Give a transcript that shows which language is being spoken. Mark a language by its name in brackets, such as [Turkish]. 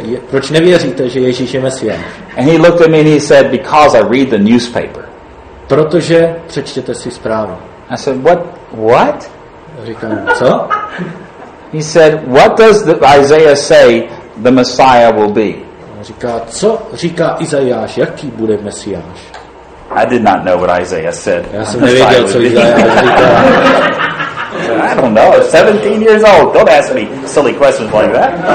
[Czech] Proč nevěříte, že Ježíš je Mesiáš? [English] And he looked at me and he said, because I read the newspaper. [Czech] Protože přečtěte si zprávu. [English] I said, what? [Czech] Říkám, co? [English] He said, what does Isaiah say the Messiah will be? [Czech] Říká, co říká Izajáš, jaký bude Mesiáš? [English] I did not know what Isaiah said. [Czech] Já jsem nevěděl, co Izajáš říká. [English] I don't know, 17 years old. Don't ask me silly questions like that.